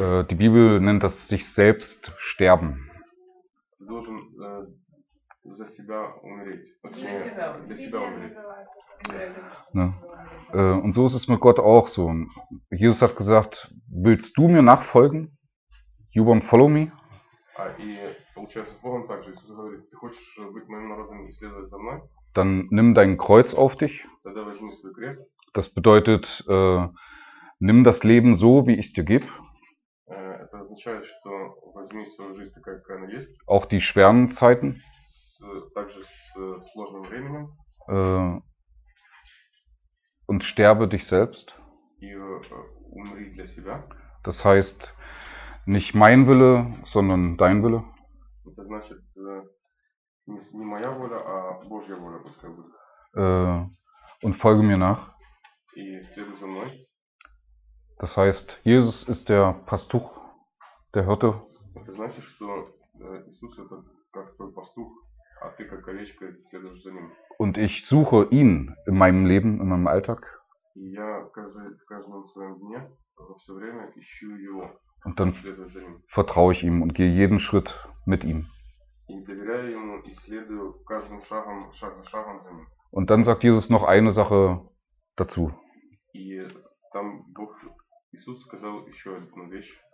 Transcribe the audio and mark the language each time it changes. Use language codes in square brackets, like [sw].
[de] Die Bibel nennt das sich selbst sterben. [ru] За себя умереть. Для себя умереть. [de] Ja. Und so ist es mit Gott auch so. Jesus hat gesagt, willst du mir nachfolgen? [en] You won't follow me? [ru] И получается, с Богом также Иисус говорит, ты хочешь быть моим народом и следовать за мной? [de] Dann nimm dein Kreuz auf dich. [ru] Тогда возьми свой крест. [de] Das bedeutet, nimm das Leben so, wie ich es dir gebe. [ru] Это означает, что возьми свою жизнь такая, какая она есть. [de] Auch die schweren Zeiten. [ru] Также с сложным временем. [de] Und sterbe dich selbst. [ru] И умри для себя. [de] Das heißt, nicht mein Wille, sondern dein Wille. [ru] Это значит, не моя воля, а Божья воля, пускай будет. [de] Und folge mir nach. [ru] И следуй за мной. [de] Das heißt, Jesus ist der Pastuch, der Hirte. [ru] Это значит, что Иисус это как твой пастух. А ты как овечка следуешь за ним. [de] Und ich suche ihn in meinem Leben, in meinem Alltag. [ru] И я в каждом своем дне, во все время ищу его. [de] Und dann vertraue ich ihm und gehe jeden Schritt mit ihm. [ru] И доверяю ему и следую каждым шагом, шаг за шагом за ним. [de] Und dann sagt Jesus noch eine Sache dazu. [ru] И там Бог Иисус сказал еще одну вещь.